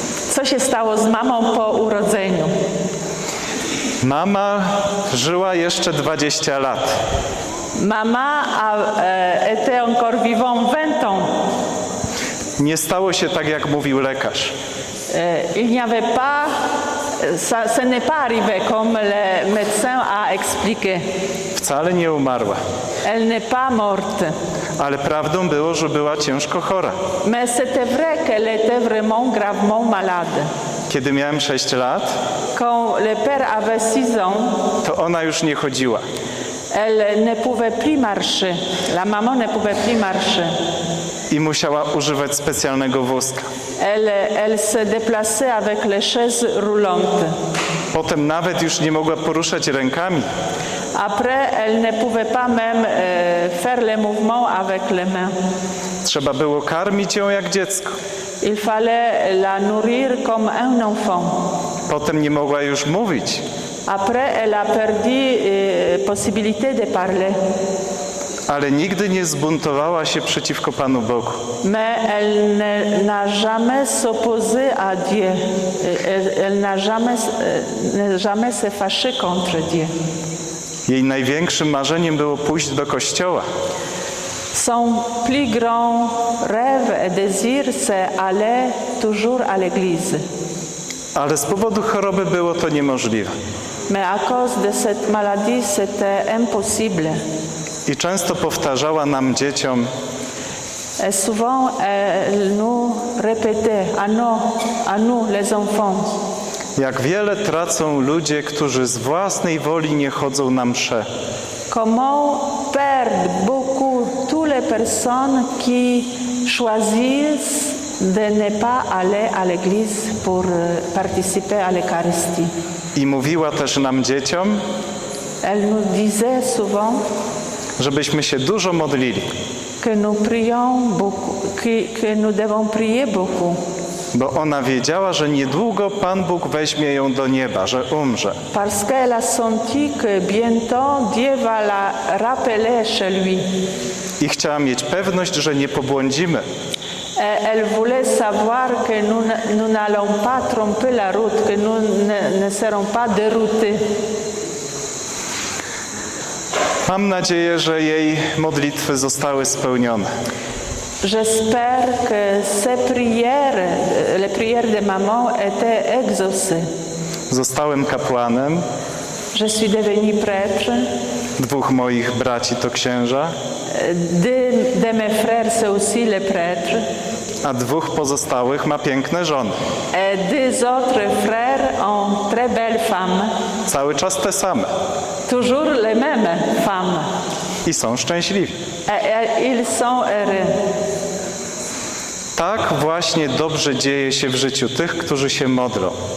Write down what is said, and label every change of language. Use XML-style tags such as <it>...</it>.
<pl>Co się stało z mamą po urodzeniu? Mama żyła jeszcze 20 lat.</pl> <fr>Mama était encore vivant 20 ans.</fr> <pl>Nie stało się tak, jak mówił lekarz.</pl> <fr>Il n'y avait pas, ce n'est pas arrivé comme le médecin a expliqué.</fr> <pl>Wcale nie umarła.</pl> <fr>Elle n'est pas morte.</fr> <pl>Ale prawdą było, że była ciężko chora.</pl> <fr>Mais c'était vrai qu'elle était vraiment gravement malade.</fr> <pl>Kiedy miałem 6 lat,</pl> <fr>quand le père avait 6 ans,</fr> <pl>to ona już nie chodziła.</pl> <fr>Elle ne pouvait plus marcher. La maman ne pouvait plus marcher.</fr> <pl>I musiała używać specjalnego wózka.</pl> <fr>Elle se déplaçait avec les chaises roulantes.</fr> <pl>Potem nawet już nie mogła poruszać rękami.</pl> <fr>Après, elle ne pouvait pas même faire le mouvement avec les mains.</fr> <pl>Trzeba było karmić ją jak dziecko.</pl> <fr>Il fallait la nourrir comme un enfant.</fr> <pl>Potem nie mogła już mówić.</pl> <fr>Après, elle a perdu possibilité de parler.</fr> <pl>Ale nigdy nie zbuntowała się przeciwko Panu Bogu.</pl> <fr>Mais elle n'a jamais s'opposé à Dieu. Elle n'a jamais se fâché contre Dieu.</fr> <pl>Jej największym marzeniem było pójść do kościoła.</pl> <fr>Son plus grand rêve et désir, c'est aller toujours à l'église.</fr> <pl>Ale z powodu choroby było to niemożliwe.</pl> <fr>Mais à cause de cette maladie, c'était impossible.</fr> <pl>I często powtarzała nam dzieciom.</pl> <fr>Et souvent elle nous répétait à nous les enfants.</fr> <pl>Jak wiele tracą ludzie, którzy z własnej woli nie chodzą na mszę.</pl> <fr>Comment perdent beaucoup toutes les personnes qui choisissent de ne pas aller à l'église pour participer à l'Eucharistie.</fr> <pl>I mówiła też nam dzieciom.</pl> <fr>Elle nous disait souvent.</fr> <pl>Żebyśmy się dużo modlili.</pl> <fr>Que nous prions beaucoup, que nous devons prier beaucoup.</fr> <pl>Bo ona wiedziała, że niedługo Pan Bóg weźmie ją do nieba, że umrze.</pl> <fr>Parce qu'elle a senti que bientôt Dieu va la rappeler chez lui.</fr> <pl>I chciała mieć pewność, że nie pobłądzimy.</pl> <fr>Elle voulait savoir que nous n'allons pas tromper la route, que nous ne serons pas déroutés.</fr> <pl>Mam nadzieję, że jej modlitwy zostały spełnione.</pl> <fr>J'espère que ces prières, les prières de maman étaient exaucées.</fr> <pl>Zostałem kapłanem.</pl> <fr>Je suis devenu prêtre.</fr> <pl>Dwóch moich braci to księża.</pl> <fr>De mes frères sont aussi les prêtres.</fr> <pl>A dwóch pozostałych ma piękne żony.</pl> <fr>Et deux autres frères ont très belles femmes.</fr> <pl>Cały czas te same.</pl> <fr>Toujours les mêmes femmes.</fr> <pl>I są szczęśliwi.</pl> <fr>Et ils sont heureux.</fr> <pl>Tak właśnie dobrze dzieje się w życiu tych, którzy się modlą.</pl>